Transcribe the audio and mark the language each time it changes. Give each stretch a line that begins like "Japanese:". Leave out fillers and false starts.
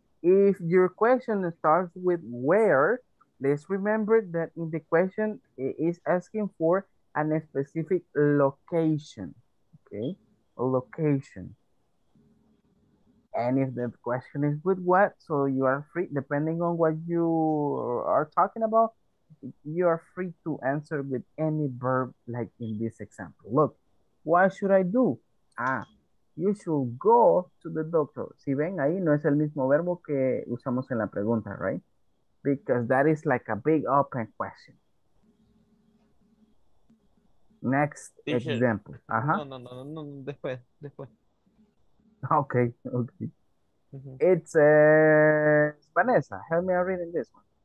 English: If your question starts with where, let's remember that in the question, it is asking for a specific location, okay? A location. And if the question is with what, so you are free, depending on what you are talking about, you are free to answer with any verb, like in this example. Look, what should I do? You should go to the doctor.
Spanish: Si ven, ahí no es el mismo verbo que usamos en la pregunta, right?
English: Because that is like a big open question. Next example.
Spanish: No, después.
English: Okay. It's Vanessa. Help me out reading this one.